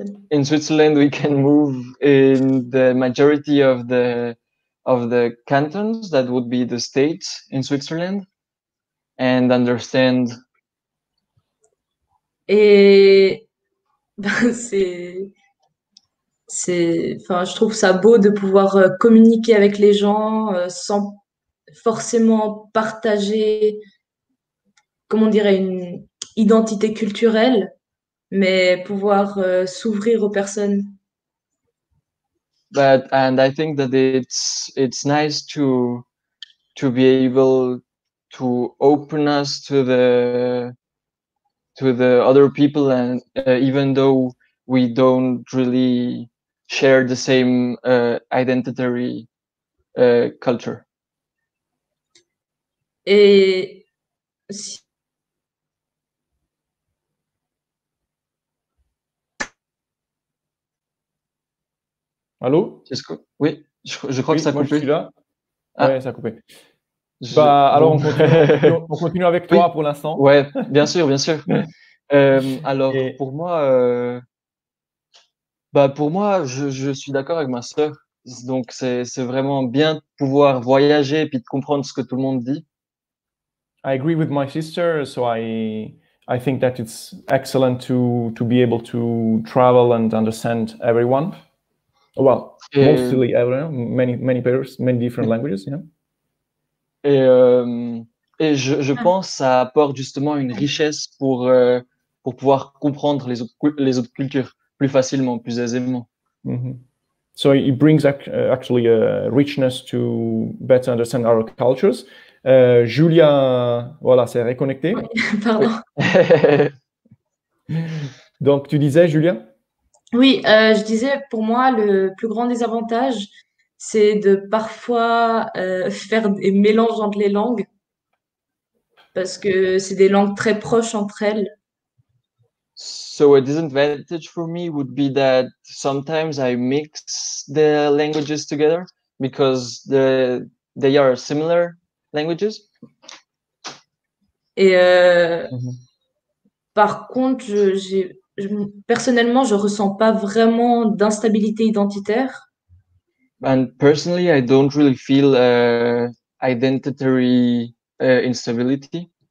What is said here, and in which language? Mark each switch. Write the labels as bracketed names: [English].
[English] In Switzerland, we can move in the majority of the cantons, that would be the states in Switzerland, and understand. [French] Et ben, c'est, je trouve ça beau de pouvoir communiquer avec les gens sans forcément partager, comment on dirait, une identité culturelle. Mais pouvoir s'ouvrir aux personnes. [English] But and I think that it's nice to be able to open us to the other people, and even though we don't really share the same identitary culture. [French] Et si... Allô? Cesco. Oui, je crois oui, que ça a coupé. Moi, je suis là. Ah. Oui, ça a coupé. Alors, on continue avec toi, oui, pour l'instant. Oui, bien sûr, bien sûr. Pour moi, je suis d'accord avec ma sœur. Donc, c'est vraiment bien de pouvoir voyager et de comprendre ce que tout le monde dit. [English] I agree with my sister, so I think that it's excellent to be able to travel and understand everyone. Well, mostly everyone, many pairs, many different languages, yeah. [French] Et je pense que ça apporte justement une richesse pour pouvoir comprendre les autres cultures plus facilement, plus aisément. [English] Mm-hmm. So it brings actually a richness to better understand our cultures. [French] Julia, voilà, c'est reconnecté. Pardon. Donc, tu disais, Julia? Oui, je disais, pour moi, le plus grand désavantage, c'est de parfois faire des mélanges entre les langues, parce que c'est des langues très proches entre elles. [English] So a disadvantage for me would be that sometimes I mix the languages together because they are similar languages. [French] Et par contre, personnellement, je ressens pas vraiment d'instabilité identitaire. [English] And personally, I don't really feel identitary instability?